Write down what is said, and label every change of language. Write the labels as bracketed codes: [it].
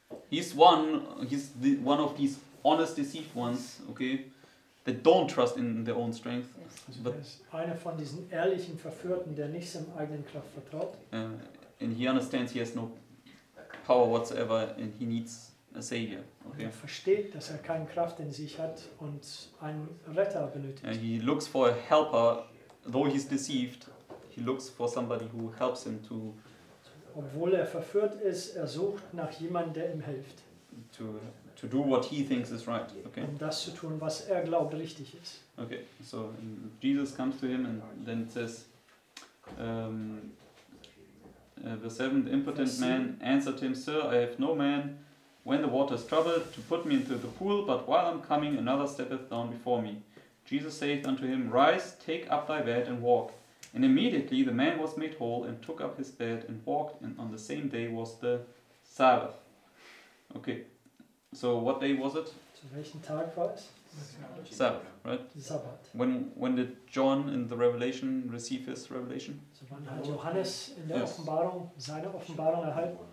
[en] he's one of these honest, deceived ones, okay? They don't trust in their own strength. [de] Also but er ist einer von diesen ehrlichen Verführten, der nicht seinem eigenen Kraft vertraut. [en] And he understands he has no power whatsoever and he needs a savior. Okay. [de] Er versteht, dass er keine Kraft in sich hat und einen Retter benötigt. [en] And he looks for a helper, though he's deceived, he looks for somebody who helps him to [de] obwohl er verführt ist, er sucht nach jemandem, der ihm hilft. [en] To do what he thinks is right. Okay. [de] Um das zu tun, was er glaubt, richtig ist. [en] Okay, so Jesus comes to him and then says, verse 7, the impotent man answered him, Sir, I have no man, when the water is troubled, to put me into the pool, but while I'm coming, another steppeth down before me. Jesus saith unto him, Rise, take up thy bed, and walk. And immediately the man was made whole, and took up his bed, and walked, and on the same day was the Sabbath. Okay, so what day was it? [de] Zu welchem Tag war es? [en] Sabbath, right? [de] Sabbath. [en] When did John in the Revelation receive his revelation? [de] So wann hat Johannes in der Offenbarung seine Offenbarung erhalten?